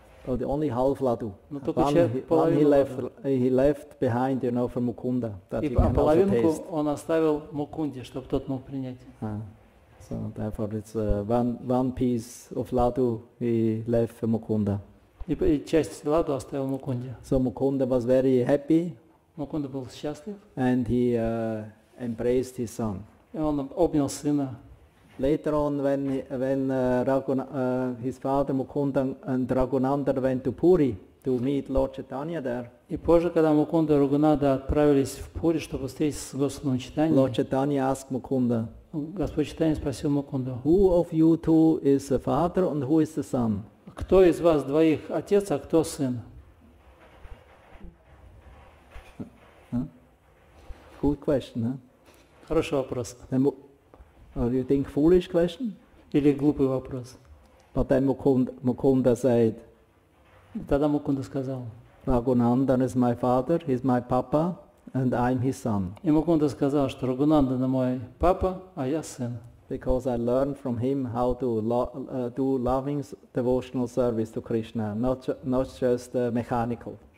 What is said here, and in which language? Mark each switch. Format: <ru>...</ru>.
<en>But only half ladu.</en> <ru>Но только половину.</ru> <en>He left behind, you know, for Mukunda that he cannot taste.</en> <ru>И половинку он оставил Мукунде, чтобы тот мог принять.</ru> <en>So therefore, it's one piece of ladu he left for Mukunda.</en> <ru>И часть ладу оставил Мукунде.</ru> <en>So Mukunda was very happy.</en> <ru>Мукунда был счастлив.</ru> <en>And he embraced his son.</en> <ru>И он обнял сына.</ru> <en>Later on, when his father Mukunda and Raghunanda went to Puri to meet Lord Chaitanya there.</en> <ru>И позже, когда Мукунда и Рагунанда отправились в Пури, чтобы встретиться с Господом Чайтаньей.</ru> <en>Lord Chaitanya asked Mukunda.</en> <ru>Господь Чайтанья спросил Мукунду.</ru> <en>Who of you two is the father and who is the son?</en> <ru>Кто из вас двоих отец, а кто сын?</ru> <en>Good question, huh?</en> <ru>Хороший вопрос.</ru> <en>Do you think foolish question?</en> <ru>Или глупый вопрос?</ru> <en>But then Mukunda said.</en> <ru>Тогда Мукунда сказал.</ru> <en>Рагунанда is my father, he's my papa, and I'm his son.</en> <ru>И Мукунда сказал, что Рагунанда мой папа, а я сын.</ru> <en>Because I learned from him how to do loving devotional service to Krishna, not just mechanical.</en>